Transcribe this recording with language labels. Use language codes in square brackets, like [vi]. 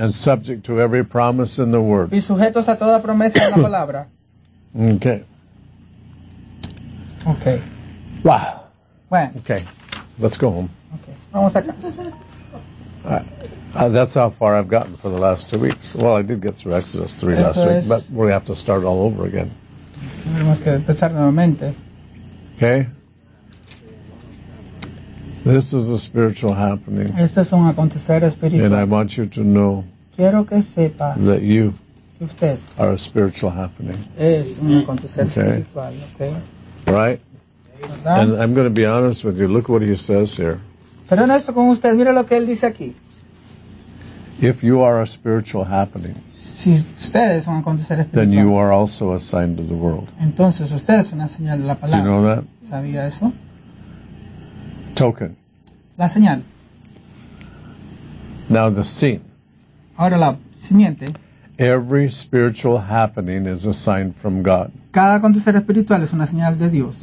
[en] And subject to every promise in the word. [es] Y sujetos a toda promesa en la palabra. [en] Okay. Okay. Wow. When? Okay. Let's go home. [es] Okay. Vamos a casa. [en] That's how far I've gotten for the last 2 weeks. Well, I did get through Exodus 3 [es] eso [en] last [es] es... [en] week, but we have to start all over again. [es] Tenemos que empezar nuevamente. [en] Okay. This is a spiritual happening. [es] Este es un acontecer espiritual. [en] And I want you to know [es] quiero que sepa [en] that you [es] que usted [en] are a spiritual happening. [es] Es un acontecer okay. Espiritual, okay? [en] Right? [es] ¿Verdad? [en] And I'm going to be honest with you. Look what he says here. [es] Pero honesto con usted. Mira lo que él dice aquí. [en] If you are a spiritual happening, [es] si usted es un acontecer espiritual, [en] then you are also a sign to the world. [es] Entonces usted es una señal de la palabra. [en] Do you know that? [es] ¿Sabía eso? [en] Token. [es] La señal. [en] Now the scene. [es] Ahora la simiente. [en] Every spiritual happening is a sign from God. [es] Cada acontecer espiritual es una señal de Dios.